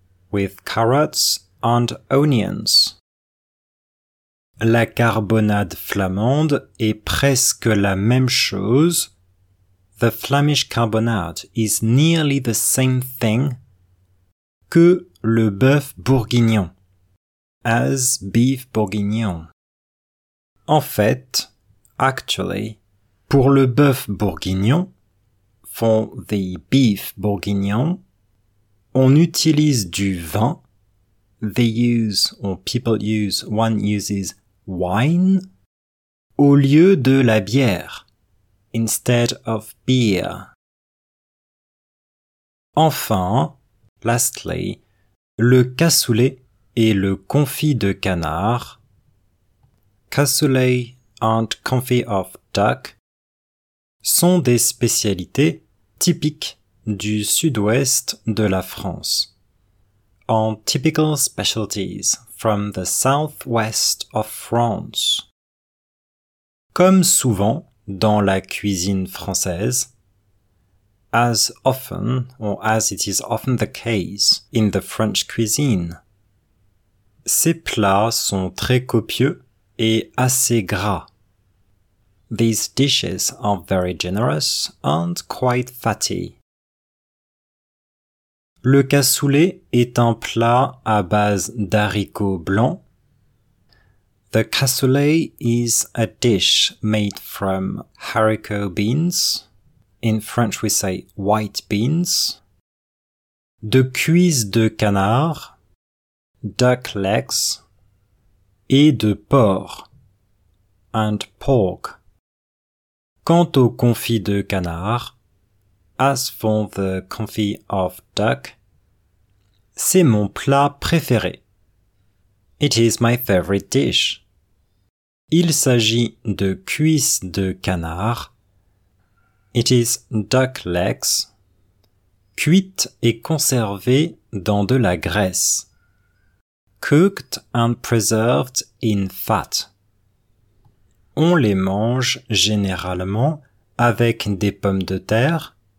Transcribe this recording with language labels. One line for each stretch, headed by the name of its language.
English: With carrots and onions.
French: La carbonade flamande est presque la même chose.
English: The Flemish carbonade is nearly the same thing
French: que le bœuf bourguignon,
English: as beef bourguignon.
French: En fait,
English: actually,
French: pour le bœuf bourguignon,
English: for the beef bourguignon,
French: on utilise du vin,
English: one uses wine,
French: au lieu de la bière,
English: instead of beer.
French: Enfin,
English: lastly,
French: le cassoulet et le confit de canard,
English: cassoulet and confit of duck,
French: sont des spécialités typiques du sud-ouest de la France.
English: On typical specialties from the southwest of France.
French: Comme souvent dans la cuisine française,
English: as it is often the case in the French cuisine,
French: ces plats sont très copieux et assez gras.
English: These dishes are very generous and quite fatty.
French: Le cassoulet est un plat à base d'haricots blancs.
English: The cassoulet is a dish made from haricot beans. In French we say white beans.
French: De cuisses de canard,
English: duck legs,
French: et de porc,
English: and pork.
French: Quant au confit de canard,
English: as for the confit of duck,
French: c'est mon plat préféré.
English: It is my favorite dish.
French: Il s'agit de cuisses de canard.
English: It is duck legs.
French: Cuites et conservées dans de la graisse.
English: Cooked and preserved in fat.
French: On les mange généralement avec des pommes de terre.